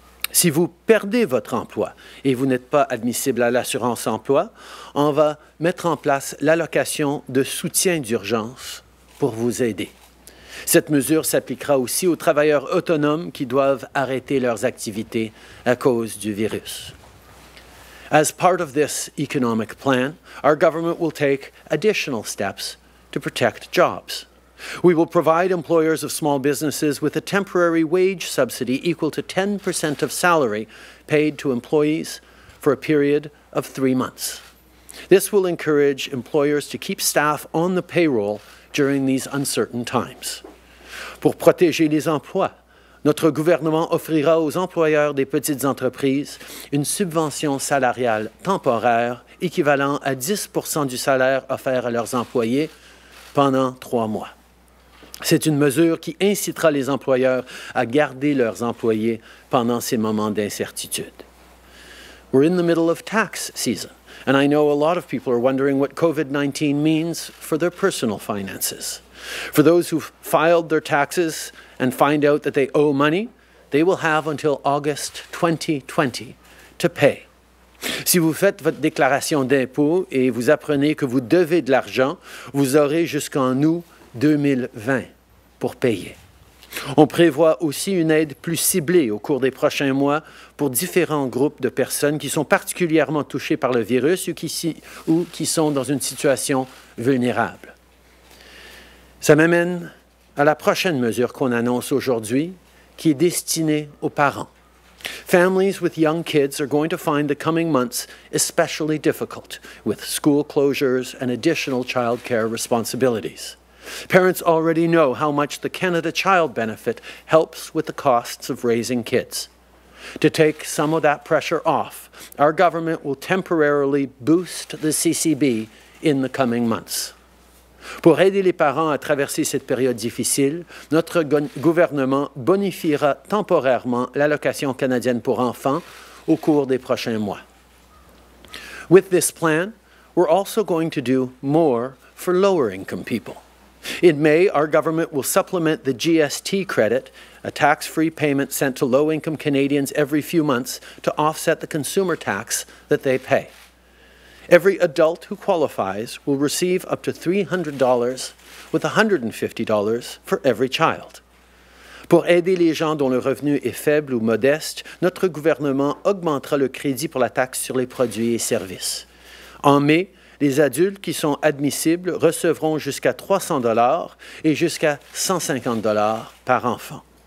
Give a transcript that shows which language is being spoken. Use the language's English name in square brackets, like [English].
[French] Si vous perdez votre emploi et vous n'êtes pas admissible à l'assurance emploi, on va mettre en place l'allocation de soutien d'urgence pour vous aider. Cette mesure s'appliquera aussi aux travailleurs autonomes qui doivent arrêter leurs activités à cause du virus. [English] As part of this economic plan, our government will take additional steps to protect jobs. We will provide employers of small businesses with a temporary wage subsidy equal to 10% of salary paid to employees for a period of 3 months. This will encourage employers to keep staff on the payroll during these uncertain times. [French] Pour protéger les emplois, notre gouvernement offrira aux employeurs des petites entreprises une subvention salariale temporaire équivalent à 10% du salaire offert à leurs employés pendant 3 mois. C'est une mesure qui incitera les employeurs à garder leurs employés pendant ces moments d'incertitude. [English] We're in the middle of tax season, and I know a lot of people are wondering what COVID-19 means for their personal finances. For those who've filed their taxes and find out that they owe money, they will have until August 2020 to pay. [French] Si vous faites votre déclaration d'impôt et vous apprenez que vous devez de l'argent, vous aurez jusqu'en août 2020 pour payer. On prévoit aussi une aide plus ciblée au cours des prochains mois pour différents groupes de personnes qui sont particulièrement touchées par le virus ou qui sont dans une situation vulnérable. Ça m'amène à la prochaine mesure qu'on annonce aujourd'hui, qui est destinée aux parents. [English] Families with young kids are going to find the coming months especially difficult with school closures and additional child care responsibilities. Parents already know how much the Canada Child Benefit helps with the costs of raising kids. To take some of that pressure off, our government will temporarily boost the CCB in the coming months. [French] Pour aider les parents à traverser cette période difficile, notre gouvernement bonifiera temporairement l'allocation canadienne pour enfants au cours des prochains mois. [English] With this plan, we're also going to do more for lower-income people. In May, our government will supplement the GST credit, a tax-free payment sent to low-income Canadians every few months to offset the consumer tax that they pay. Every adult who qualifies will receive up to $300, with $150 for every child. [French] Pour aider les gens dont le revenu est faible ou modeste, notre gouvernement augmentera le crédit pour la taxe sur les produits et services. En mai, les adultes qui sont admissibles recevront jusqu'à $300 et jusqu'à $150 par enfant.